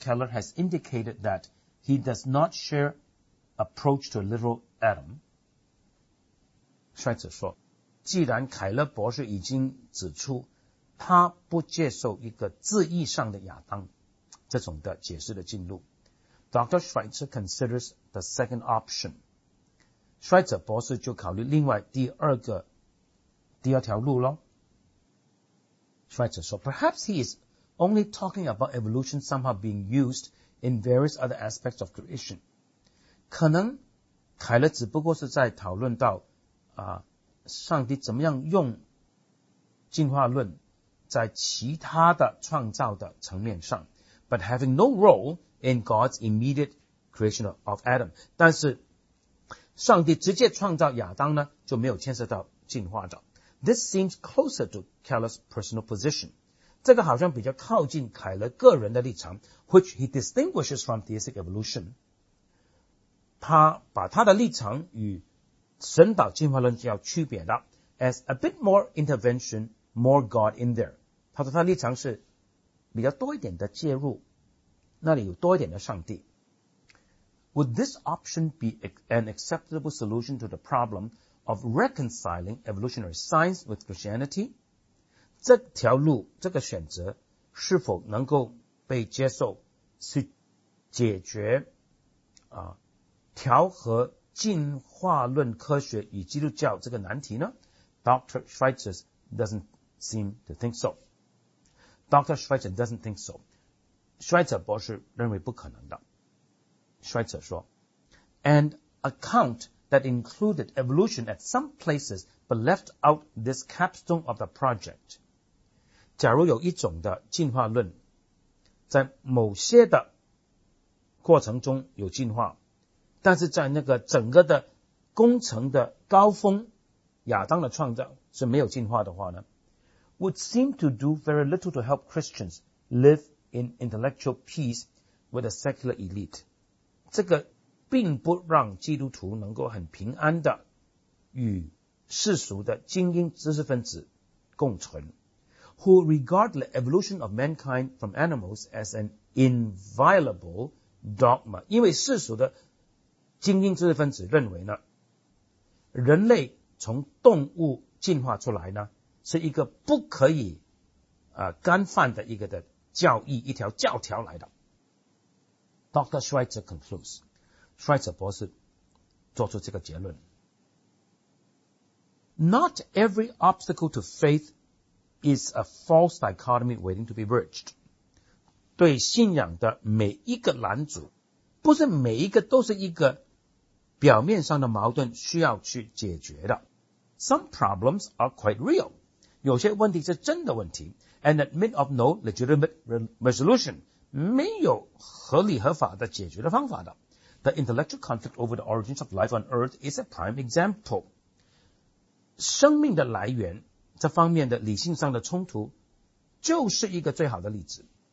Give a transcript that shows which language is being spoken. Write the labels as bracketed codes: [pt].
[en] Keller has indicated that he does not share approach to literal Adam, Schweitzer [zh] 说，既然凯勒博士已经指出他不接受一个字义上的亚当这种的解释的进入 ,Dr. [en] Schweitzer considers the second option. [zh] Schweitzer 博士就考虑另外第二条路咯。 [en] Schweitzer [zh] 说 [en] ,perhaps he is only talking about evolution somehow being used in various other aspects of creation. [zh] 可能凯勒只不过是在讨论到上帝怎么样用进化论在其他的创造的层面上 [en] but having no role in God's immediate creation of Adam. [zh] 但是上帝直接创造亚当呢就没有牵涉到进化的。 [en] This seems closer to Keller's personal position. [zh] 这个好像比较靠近凯勒个人的立场 [en] which he distinguishes from theistic evolution [zh] 他把他的立场与神导进化论要区别的 [en] as a bit more intervention more God in there [zh] 他说他立场是比较多一点的介入那里有多一点的上帝 [en] Would this option be an acceptable solution to the problem of reconciling evolutionary science with Christianity? [zh] 这条路这个选择是否能够被接受去解决调和进化论科学与基督教这个难题呢 [en] Dr. Schweitzer doesn't seem to think so. Dr. Schweitzer doesn't think so. [zh] Schweitzer 博士认为不可能的。 [en] Schweitzer [zh] 说, [en] an account that included evolution at some places but left out this capstone of the project. [zh] 假如有一种的进化论在某些的过程中有进化，但是在那个整个的工程的高峰亚当的创造是没有进化的话呢 [en] would seem to do very little to help Christians live in intellectual peace with the secular elite. [zh] 这个并不让基督徒能够很平安的与世俗的精英知识分子共存。 [en] Who regard the evolution of mankind from animals as an inviolable dogma. [zh] 因为世俗的精英知识分子认为呢人类从动物进化出来呢是一个不可以干犯的一个的教义一条教条来的。Dr. [en] Schweitzer concludes. [zh] Schweitzer 博士做出这个结论。 [en] Not every obstacle to faith is a false dichotomy waiting to be bridged. [zh] 对信仰的每一个拦阻不是每一个都是一个表面上的矛盾需要去解决的。 [en] Some problems are quite real. [zh] 有些问题是真的问题 [en] and admit of no legitimate resolution. [zh] 没有合理合法的解决的方法的。 [en] The intellectual conflict over the origins of life on earth is a prime example. [zh] 生命的来源这方面的理性上的冲突就是一个最好的例子。